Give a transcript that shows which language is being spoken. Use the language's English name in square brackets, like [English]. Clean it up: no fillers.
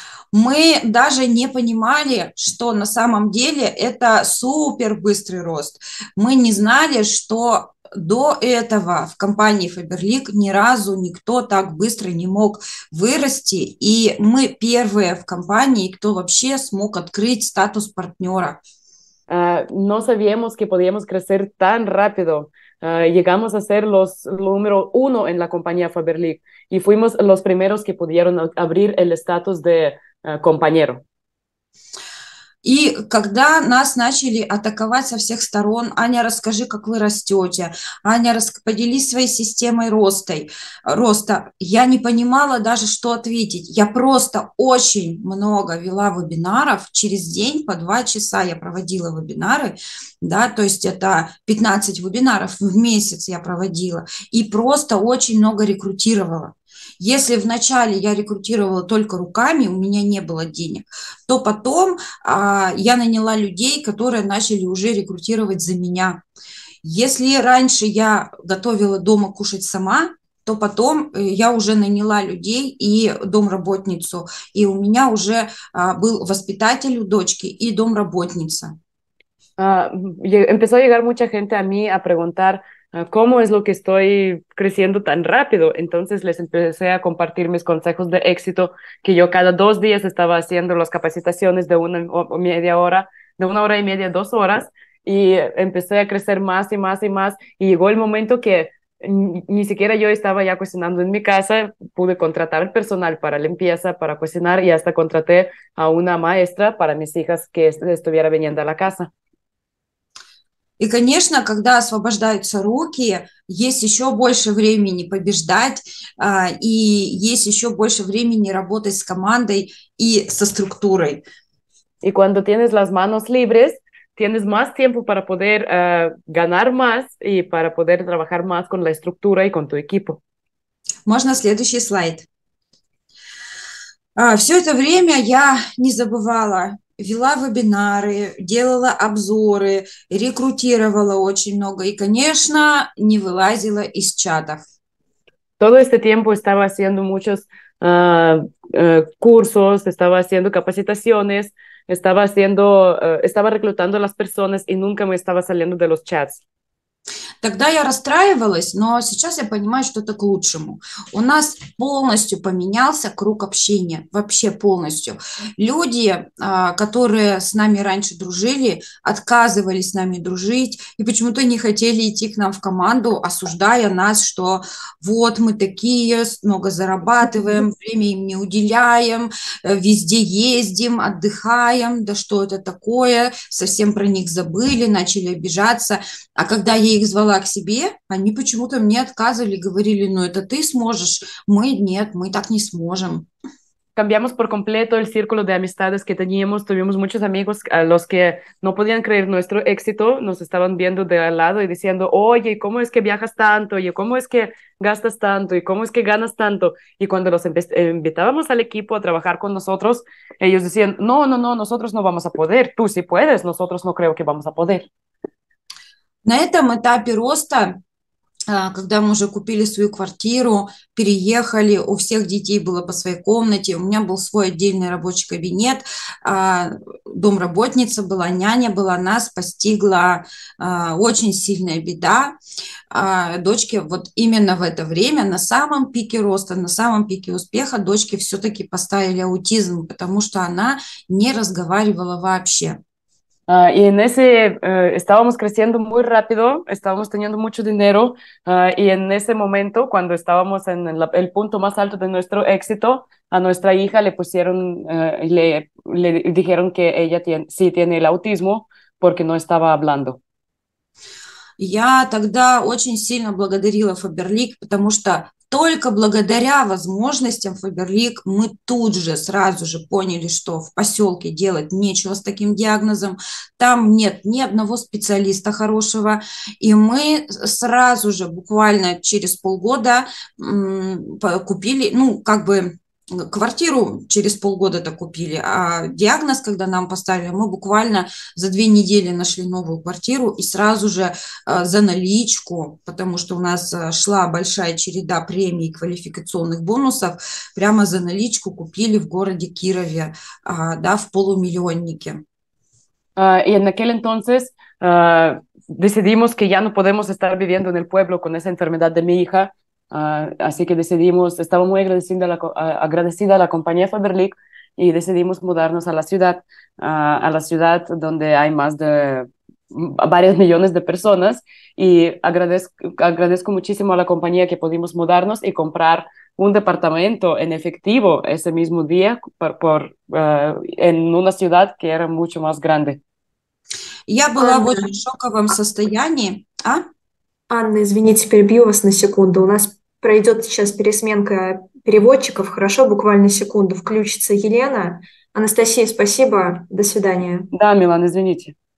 [Russian] Мы даже не понимали, что на самом деле это супер быстрый рост. Мы не знали, что до этого в компании Faberlic ни разу никто так быстро не мог вырасти, и мы первые в компании, кто вообще смог открыть статус партнера. [Spanish] No sabíamos que podíamos crecer tan rápido. Llegamos a ser los número uno en la compañía Faberlic y fuimos los primeros que pudieron abrir el estatus de compañero. [Russian] И когда нас начали атаковать со всех сторон, Аня, расскажи, как вы растете, Аня, поделись своей системой роста, я не понимала даже, что ответить. Я просто очень много вела вебинаров, через день по 2 часа я проводила вебинары, да, то есть это 15 вебинаров в месяц я проводила, и просто очень много рекрутировала. Если вначале я рекрутировала только руками, у меня не было денег, то потом я наняла людей, которые начали уже рекрутировать за меня. Если раньше я готовила дома кушать сама, то потом я уже наняла людей и домработницу, и у меня уже был воспитатель у дочки и домработница. [Spanish] Empezó a llegar mucha gente a mí a preguntar cómo es lo que estoy creciendo tan rápido. Entonces les empecé a compartir mis consejos de éxito, que yo cada 2 días estaba haciendo las capacitaciones de una o media hora, de 1 hora y media, 2 horas, y empecé a crecer más y más y más. Y llegó el momento que ni siquiera yo estaba ya cocinando en mi casa, pude contratar personal para limpieza, para cocinar, y hasta contraté a una maestra para mis hijas que estuviera viniendo a la casa. [Russian] И, конечно, когда освобождаются руки, есть еще больше времени побеждать, и есть еще больше времени работать с командой и со структурой. [Spanish] Y cuando tienes las manos libres, tienes más tiempo para poder ganar más y para poder trabajar más con la estructura y con tu equipo. [Russian] Можно следующий слайд. Все это время я не забывала, вела вебинары, делала обзоры, рекрутировала очень много и, конечно, не вылазила из чатов. [Spanish] Todo este tiempo estaba haciendo muchos cursos, estaba haciendo capacitaciones, estaba reclutando a las personas y nunca me estaba saliendo de los chats. [Russian] Тогда я расстраивалась, но сейчас я понимаю, что это к лучшему. У нас полностью поменялся круг общения, вообще полностью. Люди, которые с нами раньше дружили, отказывались с нами дружить и почему-то не хотели идти к нам в команду, осуждая нас, что вот мы такие, много зарабатываем, время им не уделяем, везде ездим, отдыхаем, да что это такое, совсем про них забыли, начали обижаться. А когда я их звала к себе, они почему-то мне отказывали, говорили, ну это ты сможешь, мы нет, мы так не сможем. [Spanish] Cambiamos por completo el círculo de amistades que teníamos. Tuvimos muchos amigos a los que no podían creer nuestro éxito. Nos estaban viendo de al lado y diciendo, oye, ¿cómo es que viajas tanto? ¿Y cómo es que gastas tanto? ¿Y cómo es que ganas tanto? Y cuando los invitábamos al equipo a trabajar con nosotros, ellos decían, no, no, no, nosotros no vamos a poder. Tú sí puedes, nosotros no creo que vamos a poder. [Russian] На этом этапе роста, когда мы уже купили свою квартиру, переехали, у всех детей было по своей комнате, у меня был свой отдельный рабочий кабинет, домработница была, няня была, нас постигла очень сильная беда. Дочке вот именно в это время, на самом пике роста, на самом пике успеха, дочке все-таки поставили аутизм, потому что она не разговаривала вообще. [Spanish] Y en ese estábamos creciendo muy rápido, estábamos teniendo mucho dinero y en ese momento, cuando estábamos en el punto más alto de nuestro éxito, a nuestra hija le pusieron, le dijeron que ella sí tiene el autismo porque no estaba hablando. [Russian] Я тогда очень сильно благодарила Faberlic, потому что только благодаря возможностям Faberlic мы тут же, сразу же поняли, что в поселке делать нечего с таким диагнозом. Там нет ни одного специалиста хорошего. И мы сразу же, буквально через полгода, купили, ну, как бы квартиру через полгода-то купили, а диагноз, когда нам поставили, мы буквально за 2 недели нашли новую квартиру и сразу же за наличку, потому что у нас шла большая череда премий и квалификационных бонусов, прямо за наличку купили в городе Кирове, да, в полумиллионнике. [Spanish] Y en aquel entonces decidimos que ya no podemos estar viviendo en el pueblo con esa enfermedad de mi hija. Así que decidimos, estaba muy agradecida a la compañía Faberlic y decidimos mudarnos a la ciudad donde hay más de varios millones de personas y agradezco muchísimo a la compañía que pudimos mudarnos y comprar un departamento en efectivo ese mismo día en una ciudad que era mucho más grande. [Russian] Я была в очень шоковом состоянии. А? Анна, извините, перебью вас на секунду. У нас пройдет сейчас пересменка переводчиков. Хорошо, буквально секунду. Включится Елена. Анастасия, спасибо. До свидания. Да, Милан, извините.